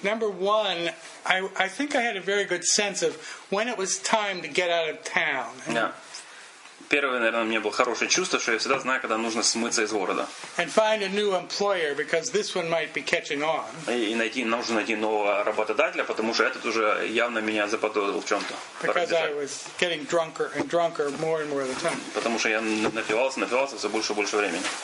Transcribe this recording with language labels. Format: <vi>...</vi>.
<en>Number one, I think I had a very good sense of when it was time to get out of town.</en> <ru>Первое, наверное, у меня было хорошее чувство, что я всегда знаю, когда нужно смыться из города.</ru> <en>And find a new employer, because this one might be catching on.</en> <ru>И найти, нужно найти нового работодателя, потому что этот уже явно меня заподозрил в чем-то.</ru> <en>Because I was getting drunker and drunker more and more of the time.</en> <ru>Потому что я напивался все больше и больше времени.</ru>